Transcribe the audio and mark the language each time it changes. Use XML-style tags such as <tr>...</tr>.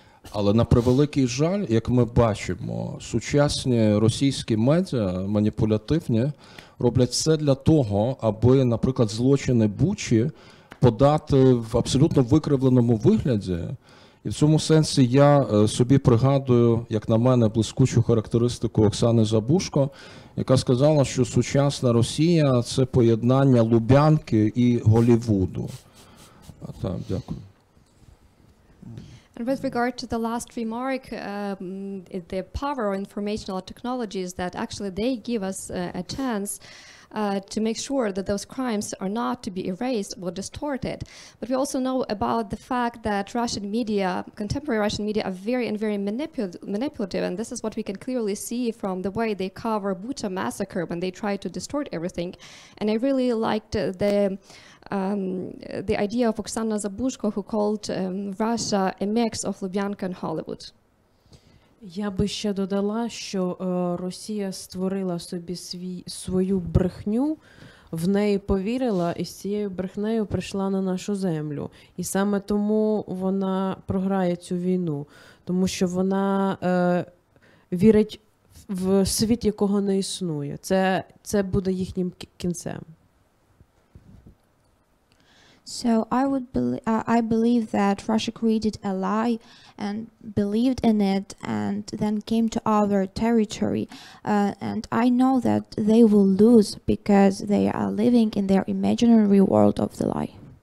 <uk>Але на превеликий жаль, як ми бачимо, сучасні російські медіа, маніпулятивні, роблять все для того, аби, наприклад, злочини Бучі подати в абсолютно викривленому вигляді. І в цьому сенсі я собі пригадую, як на мене, блискучу характеристику Оксани Забужко, яка сказала, що сучасна Росія – це поєднання Лубянки і Голлівуду. Так, дякую.</uk> <en>And with regard to the last remark, the power of informational technologies, that actually they give us a chance to make sure that those crimes are not to be erased or distorted. But we also know about the fact that Russian media, contemporary Russian media, are very and very manipulative, and this is what we can clearly see from the way they cover Bucha massacre when they try to distort everything. And I really liked the idea of Oksana Zabuzhko, who called Russia a mix of Lubyanka and Hollywood.</en> <uk>Я би ще додала, що Росія створила собі свою брехню, в неї повірила і з цією брехнею прийшла на нашу землю. І саме тому вона програє цю війну, тому що вона вірить в світ, якого не існує. Це буде їхнім кінцем.</uk> <en>So I believe that Russia created a lie and believed in it and then came to our territory. And I know that they will lose because they are living in their imaginary world of the lie.</en>